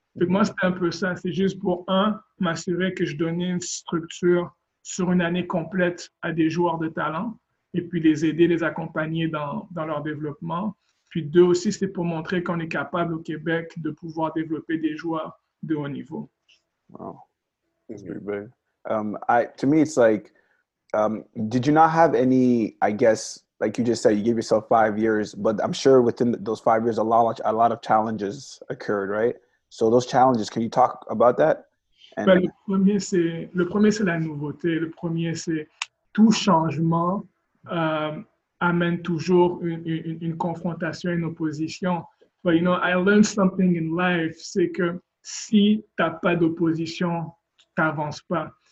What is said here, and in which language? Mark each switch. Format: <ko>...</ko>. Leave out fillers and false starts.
<fr>Donc moi c'était un peu ça. C'est juste pour un m'assurer que je donnais une structure sur une année complète à des joueurs de talent. Et puis les aider, les accompagner dans leur développement. Puis deux aussi, c'est pour montrer qu'on est capable au Québec de pouvoir développer des joueurs de haut niveau.</fr> <en>Wow. That's pretty big. To me, it's like, did you not have any, I guess, like you just said, you gave yourself 5 years, but I'm sure within those 5 years, a lot of challenges occurred, right? So those challenges, can you talk about that?</en> <fr>Ben, le premier c'est la nouveauté. Le premier, c'est tout changement amène toujours une confrontation, une opposition.</fr> <en>But you know, I learned something in life,</en> <fr>c'est que si t'as pas d'opposition, t'avances pas.</fr>